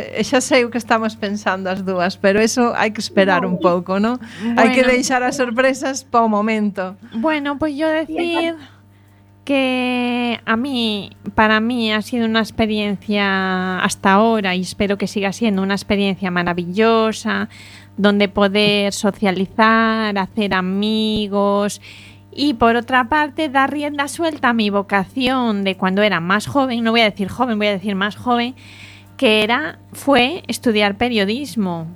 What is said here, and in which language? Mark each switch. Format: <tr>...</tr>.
<gl>Xa sei o que estamos pensando as dúas, pero eso hai que esperar un pouco, ¿no? Bueno, hai que deixar as sorpresas pa o momento.</gl> <es>Bueno, pois pues yo decir que a mí, para mí, ha sido una experiencia hasta ahora y espero que siga siendo una experiencia maravillosa, donde poder socializar, hacer amigos... Y por otra parte, da rienda suelta a mi vocación de cuando era más joven, no voy a decir joven, voy a decir más joven, que fue estudiar periodismo.</es>